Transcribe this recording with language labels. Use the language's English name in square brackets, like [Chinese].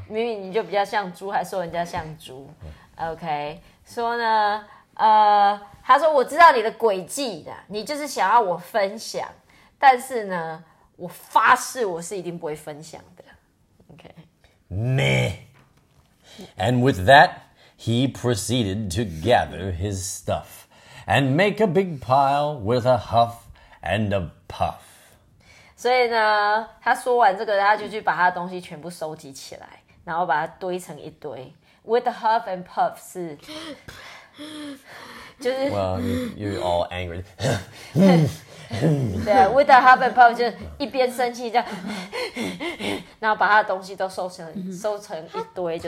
[Chinese] 明明你就比较像猪，还说人家像猪。 OK, 说呢，他说我知道你的诡计的，你就是想要我分享，但是呢，我发誓我是一定不会分享的。 [English] OK, meh, and with that. He proceeded to gather his stuff and make a big pile with a huff and a puff. [Chinese] 所以呢，他说完这个，他就去把他的东西全部收集起来，然后把它堆成一堆。 [English] With a huff and puff [Chinese] 是就是 [English] Well, you're all angry. [Chinese] 对啊 ， [English] with a huff and puff [Chinese] 就一边生气这样，然后把他的东西都收成一堆就